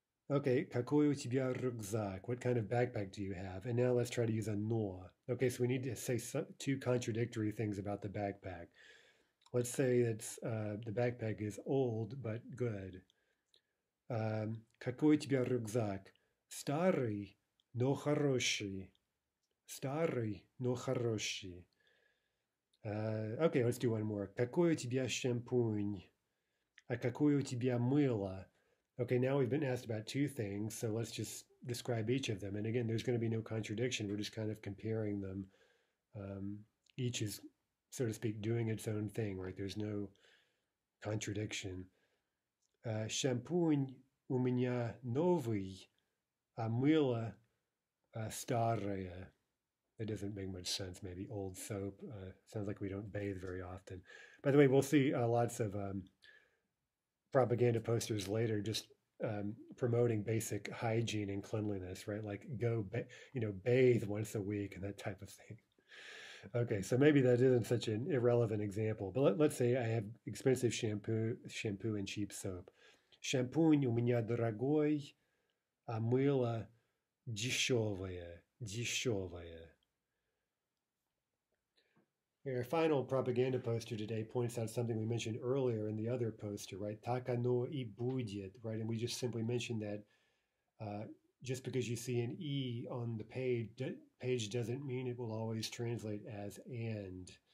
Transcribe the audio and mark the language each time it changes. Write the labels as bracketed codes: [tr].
[ru] Okay, какой у тебя рюкзак? [en] What kind of backpack do you have? And now let's try to use a но. Okay, so we need to say some, two contradictory things about the backpack. Let's say it's the backpack is old but good. [ru] Какой у тебя рюкзак? Старый, но хороший. Старый, но хороший. [en] Okay, let's do one more. [ru] Какой у тебя шампунь? А какой у тебя мыло? [en] Okay, now we've been asked about two things, so let's just describe each of them. And again, there's going to be no contradiction. We're just kind of comparing them. Each is, so to speak, doing its own thing, right? There's no contradiction. [ru] Шампунь у меня новый, а мыло старое. [en] It doesn't make much sense, maybe old soap. Sounds like we don't bathe very often. By the way, we'll see lots of propaganda posters later just promoting basic hygiene and cleanliness, right? Like go bathe once a week and that type of thing. Okay, so maybe that isn't such an irrelevant example, but let's say I have expensive shampoo and cheap soap. [ru] Шампунь у меня дорогой, а мыло дешевое, дешевое. [en] Our final propaganda poster today points out something we mentioned earlier in the other poster, right? [ru] Так оно и будет, right? [en] And we just simply mentioned that just because you see an E on the page doesn't mean it will always translate as and.